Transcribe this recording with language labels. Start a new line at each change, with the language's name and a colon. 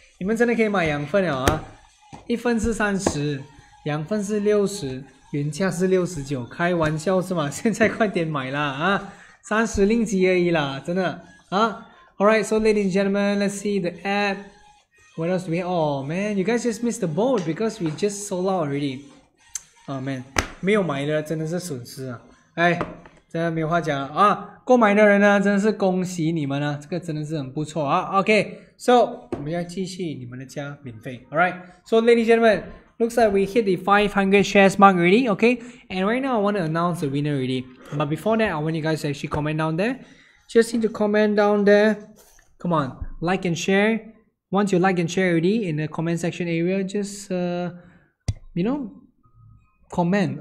Chinese: 你们真的可以买两份了啊。一份是30。两份是60，原价是69，开玩笑是吗？现在快点买啦啊，30令吉而已啦，真的啊。
English: Alright, so ladies and gentlemen, let's see the app. What else do we have? Oh man, you guys just missed the boat because we just sold out already. Oh man,
Chinese: 没有买的真的是损失啊。哎，真的没有话讲啊。购买的人呢，真的是恭喜你们啊，这个真的是很不错啊。
English: Okay, so
Chinese: 我们要继续你们的家免费。
English: Alright, so ladies and gentlemen. Looks like we hit the 500 shares mark already, okay? And right now, I want to announce the winner already. But before that, I want you guys to actually comment down there. Just need to comment down there. Come on, like and share. Once you like and share already in the comment section area, just, you know, comment.